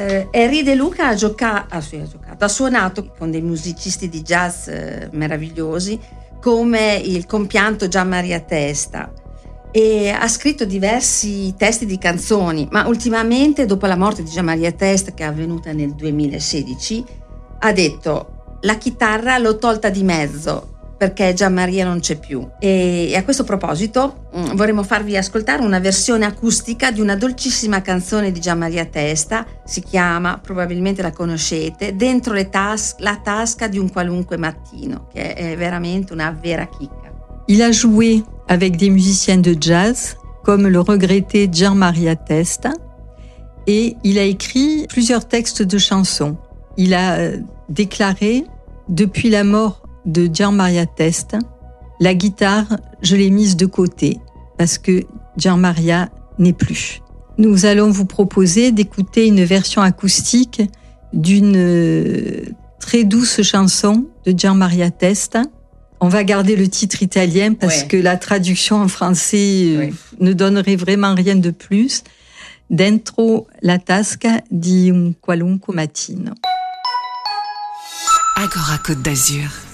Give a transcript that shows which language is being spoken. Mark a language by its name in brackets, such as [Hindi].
[Italian] Henri De Luca ha suonato con dei musicisti di jazz meravigliosi come il compianto Gian Maria Testa e ha scritto diversi testi di canzoni, ma ultimamente, dopo la morte di Gian Maria Testa, che è avvenuta nel 2016, ha detto: la chitarra l'ho tolta di mezzo perché Gian Maria non c'è più. E a questo proposito vorremmo farvi ascoltare una versione acustica di una dolcissima canzone di Gian Maria Testa, si chiama, probabilmente la conoscete, Dentro la tasca di un qualunque mattino, che è veramente una vera chicca. [French] Il a joué avec des musiciens de jazz, come le regretté Gian Maria Testa, e il a écrit plusieurs textes de chansons. Il a déclaré, depuis la mort de Gian Maria Testa, la guitare, je l'ai mise de côté parce que Gian Maria n'est plus. Nous allons vous proposer d'écouter une version acoustique d'une très douce chanson de Gian Maria Testa. On va garder le titre italien parce que la traduction en français ne donnerait vraiment rien de plus. [Italian] Dentro la tasca di un qualunque mattino. [French] Agora Côte d'Azur.